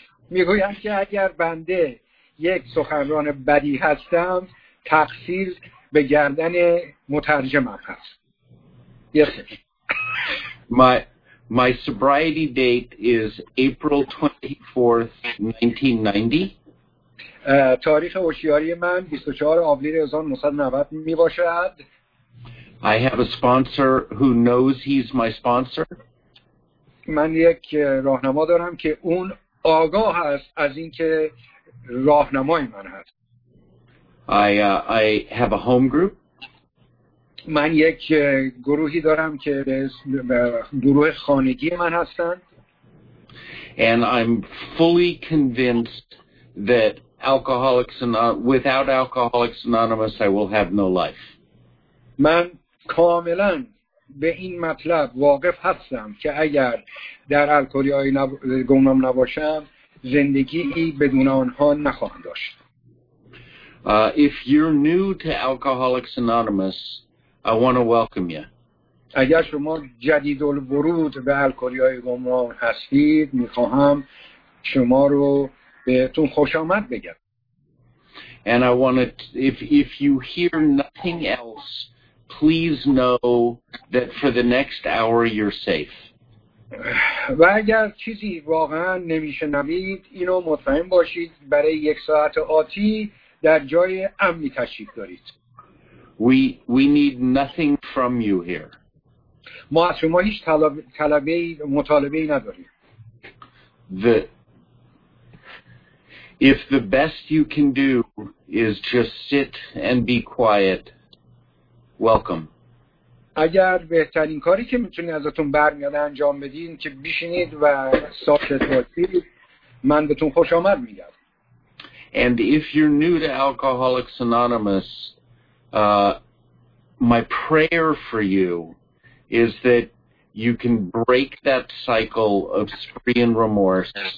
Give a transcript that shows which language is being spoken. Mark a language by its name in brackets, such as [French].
[Persian] میگویم که اگر بنده یک سخنران بدی هستم، تقصیر به گردن مترجمم هست. [English] Yes. My sobriety date is April 24th, 1990. [Persian] تاریخ هوشیاری من 24 آوریل 1990 می باشد. [English] I have a sponsor who knows he's my sponsor. [Persian] من یک راهنما دارم که اون آگاه است از اینکه راهنمای من هست. [English] I have a home group. [Persian] من یک گروهی دارم که گروه خانگی من هستند. [English] And I'm fully convinced that without Alcoholics Anonymous I will have no life. [Persian] من کاملا به این مطلب واقف هستم که اگر در الکلی‌های گمنام نباشم، زندگی ای بدون آنها نخواهم داشت. [English] If you're new to Alcoholics Anonymous, I want to welcome you. [Persian] اگر شما جدید الورود به الکلی‌های گمنام هستید، میخواهم شما رو بهتون خوش آمد بگم. [English] And I want to, if you hear nothing else, please know that for the next hour you're safe. [Persian] و اگر چیزی واقعا نمیشنوید، اینو مطمئن باشید برای یک ساعت آتی در جای امنی تشریف دارید. [English] We need nothing from you here. [Persian] ما از شما هیچ مطالبه‌ای نداریم. [English] If the best you can do is just sit and be quiet, welcome. [Persian] اگر بهترین کاری که میتونی ازتون برمیاد انجام بدین که بشینید و ساکت باشید، من بهتون خوش آمد میگم. [English] And if you're new to Alcoholics Anonymous, my prayer for you is that you can break that cycle of spree and remorse.